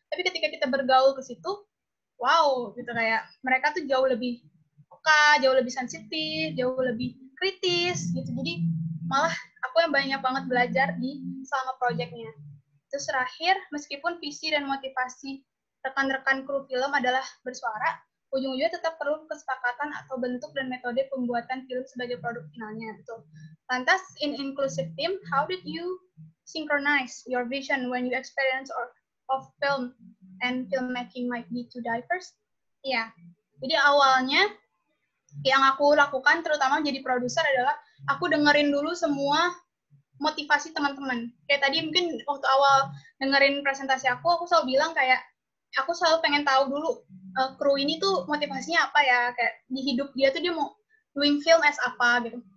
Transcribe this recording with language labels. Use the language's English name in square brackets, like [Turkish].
[Indonesian] Tapi ketika kita bergaul ke situ, wow gitu, kayak mereka tuh jauh lebih peka, jauh lebih sensitif, jauh lebih kritis gitu. Jadi malah aku yang banyak banget belajar di selama proyeknya. Terus terakhir, meskipun visi dan motivasi rekan-rekan kru film adalah bersuara, ujung-ujungnya tetap perlu kesepakatan atau bentuk dan metode pembuatan film sebagai produk finalnya. Gitu. Lantas, [English] in inclusive team, how did you synchronize your vision when you experience of film and filmmaking might be too diverse? Yeah. [Indonesian] Jadi awalnya, yang aku lakukan terutama jadi produser adalah aku dengerin dulu semua motivasi teman-teman. Kayak tadi mungkin waktu awal dengerin presentasi aku selalu bilang kayak, aku selalu pengen tahu dulu kru ini tuh motivasinya apa ya, kayak di hidup dia tuh dia mau [English] doing film as [Indonesian] apa gitu.